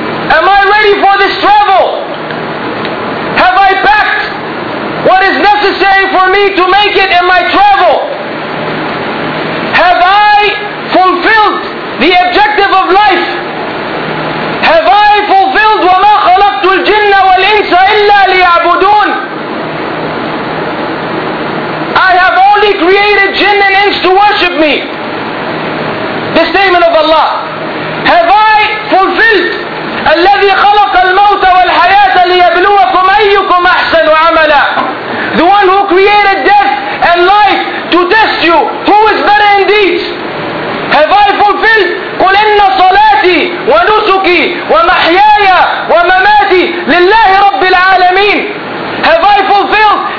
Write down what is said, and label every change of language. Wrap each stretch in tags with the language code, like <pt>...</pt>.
<en>Am I ready for this travel? Have I packed what is necessary for me to make it in my travel? Have I fulfilled the objective of life? Have I fulfilled</en> <ar>وَمَا خَلَقْتُ الْجِنَّ وَالْإِنسَ إِلَّا لِيَعْبُدُونَ.</ar> <en>I have only created jinn and ins to worship me. The statement of Allah. Have I fulfilled</en> <ar>الَّذِي خَلَقَ الْمَوْتَ وَالْحَيَاةَ لِيَبْلُوَكُمْ أَيُّكُمْ أَحْسَنُ عَمَلًا.</ar> <en>The one who created death and life to test you, who is better in deeds? Have I fulfilled?</en> <ar>قُلْ إِنَّ صَلَاتِي وَنُسُكِي وَمَحْيَايَ وَمَمَاتِي لِلَّهِ رَبِّ الْعَالَمِينَ. Have I fulfilled?</ar>